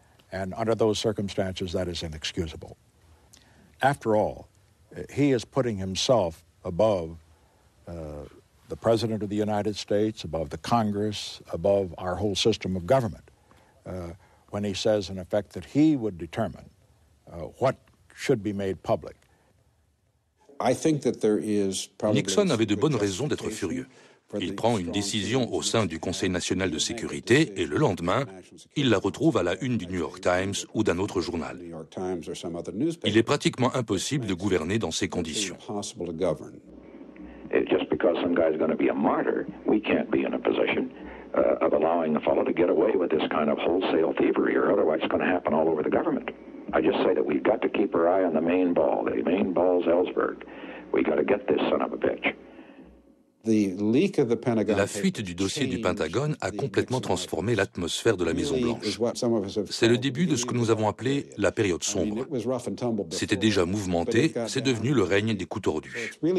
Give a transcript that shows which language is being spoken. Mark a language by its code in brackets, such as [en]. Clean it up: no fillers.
[en] And under those circumstances, that is inexcusable. After all, he is putting himself above the President of the United States, above the Congress, above our whole system of government, when he says, in effect, that he would determine what should be made public. I think that there is probably [fr] Nixon avait de bonnes raisons d'être furieux. Il prend une décision au sein du Conseil national de sécurité et le lendemain, il la retrouve à la une du New York Times ou d'un autre journal. Il est pratiquement impossible de gouverner dans ces conditions. [en] Just because some guy's going to be a martyr, we can't be in a position of allowing the fellow to get away with this kind of wholesale thievery, or otherwise it's going to happen all over the government. I just say that we've got to keep our eye on the main ball. The main ball's Ellsberg. We got to get this son of a bitch. [fr] La fuite du dossier du Pentagone a complètement transformé l'atmosphère de la Maison-Blanche. C'est le début de ce que nous avons appelé la période sombre. C'était déjà mouvementé, c'est devenu le règne des coups tordus.